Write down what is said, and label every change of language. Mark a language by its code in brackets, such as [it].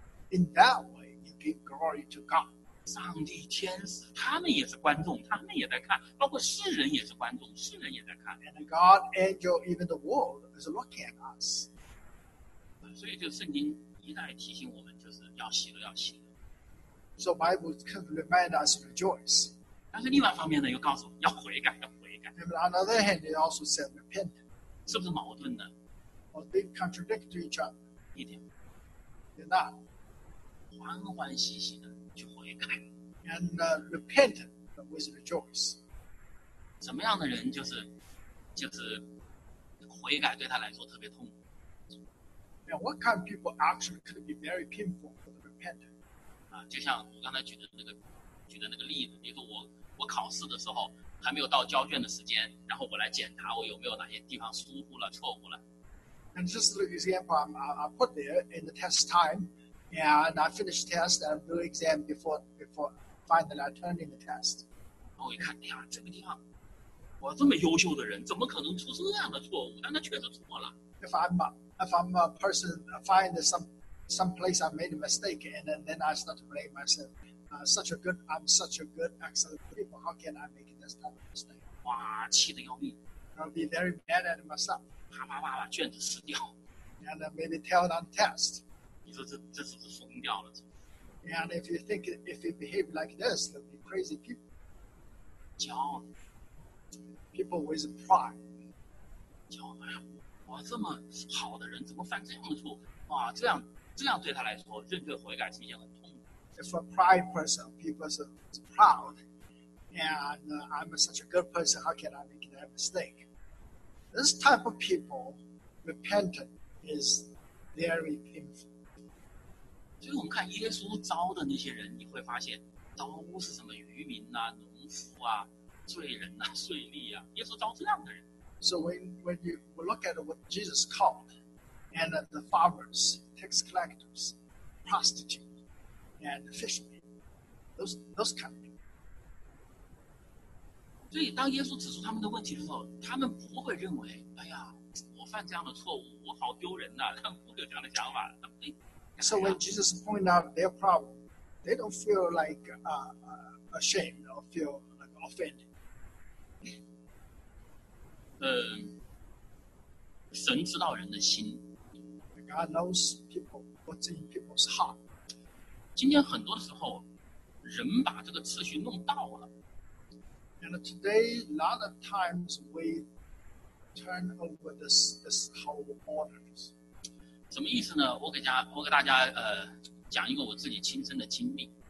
[en] In that way, you give glory to God. [zh] 上帝、天使，他们也是观众，他们也在看，包括世人也是观众，世人也在看。 [en] And God, angel, even the world is looking at us. [zh] 所以，就圣经一再提醒我们，就是要喜乐，要喜乐。 [en] So Bible can remind us rejoice. [zh] 但是另外一方面呢，又告诉我们要悔改，要悔改。 [en] And on the other hand, it also said repent. [zh] 是不是矛盾呢 [en] or they contradict to each other. [zh] 一点。 [en] They're not. [zh] 欢欢喜喜的去悔改。 [en] And repent with rejoice. [zh] 什么样的人就是悔改对他来说特别痛苦。 [en] Now, what kind of people actually could be very painful for the repentant? [zh] 就像我刚才举的那个例子，比如说我考试的时候还没有到交卷的时间，然后我来检查我有没有哪些地方疏忽了、错误了。 [en] And just the example I put there in the test time, and I finish test and do exam before finally I turn in the test. [zh] 然后我一看，哎呀，这个地方，我这么优秀的人，怎么可能出这样的错误？但他确实错了。 [en] If I'm a person, I find some place I made a mistake, and then I start to blame myself. I'm such a good, excellent people. How can I make this type of mistake? [zh] 哇，气得要命。 [en] I'll be very mad at myself. [zh] 啪啪啪啪，卷子撕掉。 [en] And maybe tell on test. [zh] 你说这是不是疯掉了？ [en] And if you think, if you behave like this, they'll be crazy people. [zh] 骄傲。 [en] People with pride. [zh] 骄傲，哎呀，我这么好的人怎么犯这样的错误？哇，这样对他来说，认罪悔改是一件很痛苦。 [en] If a pride person, people are proud, and I'm such a good person, how can I make that mistake? This type of people, repentant, is very painful. [zh] 所以我们看耶稣招的那些人，你会发现都是什么渔民啊、农夫啊、罪人啊、税吏啊，耶稣招这样的人。 [en] So when you look at what Jesus called, and the farmers, tax collectors, prostitutes,And fishermen, those kind of people. [zh] 所以当耶稣指出他们的问题的时候，他们不会认为，哎呀，我犯这样的错误，我好丢人呐，他们不会有这样的想法。 [en] So when Jesus pointed out their problem, they don't feel like ashamed or feel like offended. [zh] 神知道人的心。 [en] God knows people, what's in people's heart. [zh] 今天很多的时候，人把这个次序弄倒了。 [en] And today, a lot of times we turn over this whole order. [zh] 什么意思呢？我给大家讲一个我自己亲身的经历。